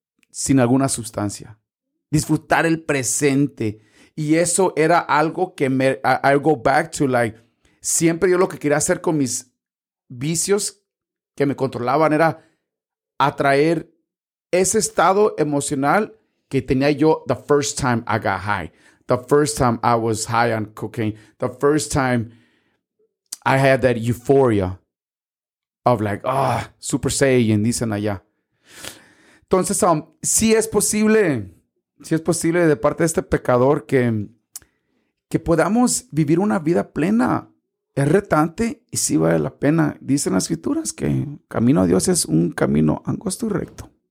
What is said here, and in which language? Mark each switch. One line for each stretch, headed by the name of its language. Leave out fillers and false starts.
Spanish: Sin alguna sustancia. Disfrutar el presente. Y eso era algo que me,
English: I go back to like,
Spanish: siempre yo lo que quería hacer con mis vicios que me controlaban era atraer ese estado emocional que tenía yo
English: the first time I got high. The first time I was high on cocaine. The first time I had that euphoria of like, ah, oh, super saiyan,
Spanish: dicen allá. Entonces, sí es posible, de parte de este pecador que podamos vivir una vida plena. Es retante y sí vale la pena. Dicen las escrituras que camino a Dios es un camino angosto y recto.